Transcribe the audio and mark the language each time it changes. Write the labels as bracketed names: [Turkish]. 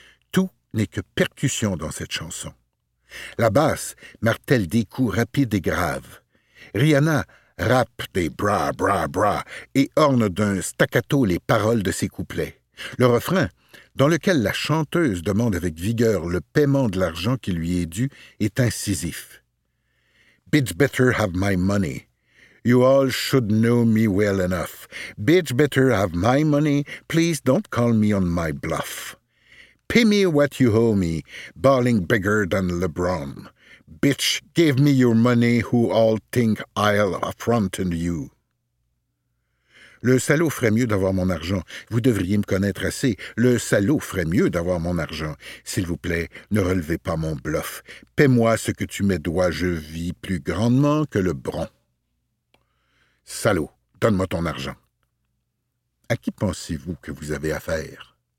[French] Tout n'est que percussion dans cette chanson. La basse martèle des coups rapides et graves. Rihanna rappe des bra bra bra et orne d'un staccato les paroles de ses couplets. Le refrain, dans lequel la chanteuse demande avec vigueur le paiement de l'argent qui lui est dû, est incisif. [English] Bitch better have my money. You all should know me well enough. Bitch better have my money. Please don't call me on my bluff. Pay me what you owe me. Balling bigger than LeBron. Bitch, give me your money who all think I'll affront you. [French] Le salaud ferait mieux d'avoir mon argent. Vous devriez me connaître assez. Le salaud ferait mieux d'avoir mon argent. S'il vous plaît, ne relevez pas mon bluff. Paie-moi ce que tu me dois. Je vis plus grandement que le bron. Salaud, donne-moi ton argent. À qui pensez-vous que vous avez affaire?